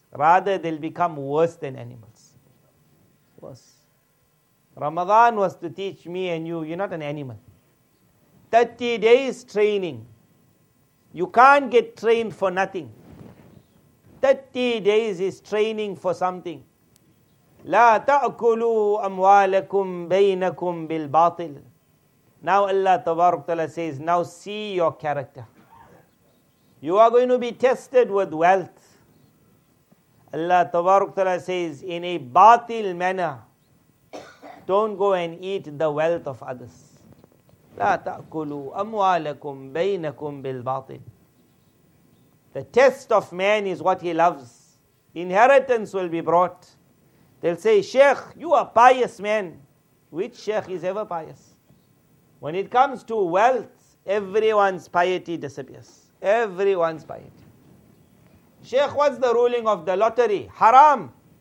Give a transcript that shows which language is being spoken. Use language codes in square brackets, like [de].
[en] Rather, they'll become worse than animals. Worse. Ramadan was to teach me and you, you're not an animal. 30 days training. You can't get trained for nothing. 30 days is training for something. [ar] لا تأكلوا أموالكم بينكم بالباطل. [en] Now Allah Tabarak Ta'ala says, now see your character. You are going to be tested with wealth. Allah Tabarak Ta'ala says, in a batil manner, don't go and eat the wealth of others. [ar] لا تأكلوا أموالكم بينكم بالباطل. [en] The test of man is what he loves. Inheritance will be brought. They'll say, Sheikh, you are a pious man. Which Sheikh is ever pious? When it comes to wealth, everyone's piety disappears. Everyone's piety. Sheikh, what's the ruling of the lottery? Haram.